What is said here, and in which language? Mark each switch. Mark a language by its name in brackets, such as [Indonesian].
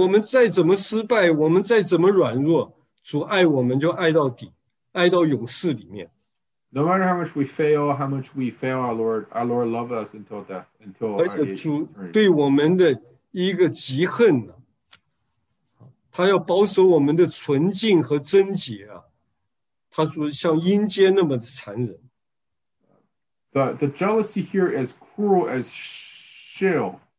[Chinese] 我们再怎么失败，我们再怎么软弱，主爱我们就爱到底，爱到永世里面。 [English] No matter how much we fail, how much we fail our Lord loves us until death, until our age. [Chinese] 而且主对我们的 一个极恨，他要保守我们的纯净和贞洁啊！他说像阴间那么的残忍。 [English] The jealousy here is cruel as Sheol.